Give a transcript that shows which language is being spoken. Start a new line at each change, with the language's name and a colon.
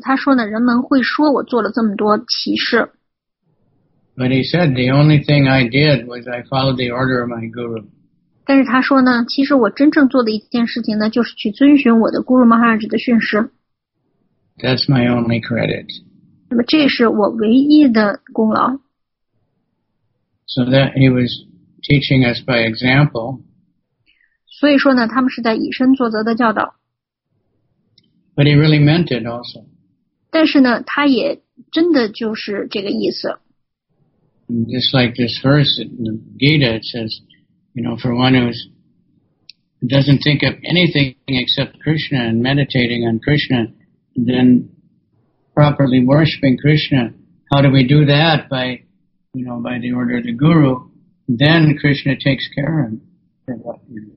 Chinese: 他说呢，人们会说我做了这么多奇事。
English: But he said the only thing I did was I followed the order of my guru.
Chinese: 但是他说呢，其实我真正做的一件事情呢，就是去遵循我的 Guru Maharaj 的训示。
English: That's my only credit.
Chinese: 那么这是我唯一的功劳。
English: So that he was teaching us by example.
Chinese: 所以说呢，他们是在以身作则的教导。
English: But he really meant it also.
Chinese: 但是呢，他也真的就是这个意思。
English: Just like this verse in the Gita, it says, you know, for one who doesn't think of anything except Krishna and meditating on Krishna, then properly worshiping Krishna, how do we do that? By, you know, by the order of the Guru, then Krishna takes care of him.